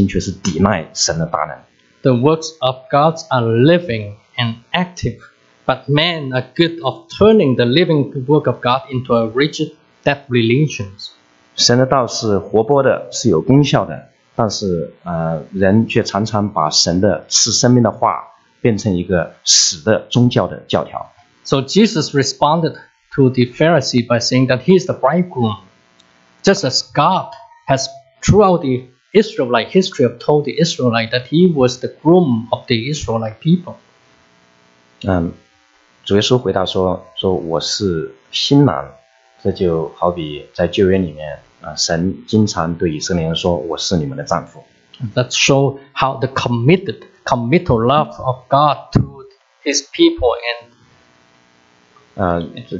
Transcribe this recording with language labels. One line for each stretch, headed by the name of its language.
Chinese: 我们记得使徒保罗在他生命末了的时候写信给提摩太，就警告他说，在末世，人会外面有许多敬虔的行为，但是我们内心却是抵赖神的大能。
English: The works of God are living and active, but men are good of turning the living work of God into a rigid dead religions.
Chinese: 神的道是活泼的，是有功效的。但是人却常常把神的赐生命的话变成一个死的宗教的教条。
English: So Jesus responded to the Pharisee by saying that he is the bridegroom, just as God has throughout the Israelite history have told the Israelite that he was the groom of the Israelite people.
Chinese: 主耶稣回答说，说我是新郎，这就好比在旧约里面，神经常对以色列人说，我是你们的丈夫。
English: That show how the committal love of God to His people and